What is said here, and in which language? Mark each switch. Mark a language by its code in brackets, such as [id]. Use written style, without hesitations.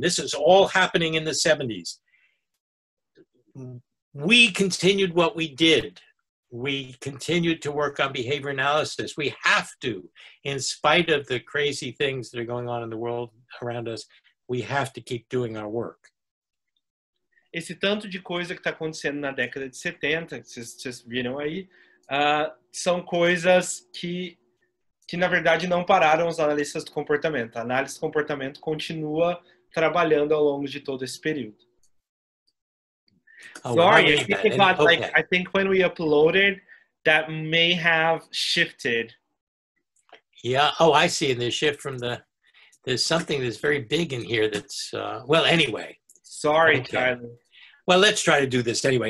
[en] This is all happening in the 70s. We continued what we did. We continued to work on behavior analysis. We have to, in spite of the crazy things that are going on in the world around us, we have to keep doing our work. [pt] Esse tanto de coisa que está acontecendo na década de 70, que vocês viram aí, são coisas que na verdade não pararam os analistas do comportamento. A análise do comportamento continua trabalhando ao longo de todo esse período. Oh, [en] sorry, I think when we uploaded, that may have shifted. Yeah, oh, I see, and the shift from the, there's something that's very big in here that's, well, anyway. Sorry, okay. Charlie. Well, let's try to do this anyway.